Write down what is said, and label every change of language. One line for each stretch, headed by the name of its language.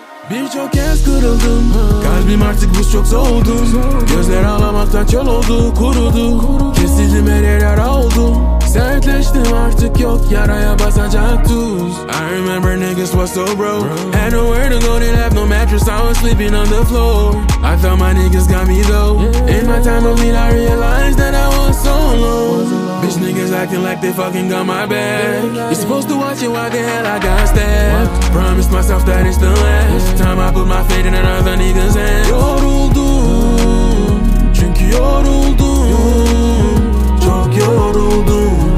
Turkish: Birçok kez kırıldım, kalbim artık buz çok soğudu. Gözler ağlamaktan çöl oldu, kurudu. Kesildim her yer yara oldu. Sertleştim artık yok yaraya basacak tuz.
English: I remember niggas was so broke. Had nowhere to go, didn't have no mattress. I was sleeping on the floor. I thought my niggas got me though. In my time of need I realized that I was so low. Bitch niggas acting like they fucking got my back. You're supposed to watch it, why the hell I got stabbed? Promised myself that it's the last time I put my fate in another nigga's hands.
Turkish: Yoruldum, çünkü yoruldum. Çok yoruldum.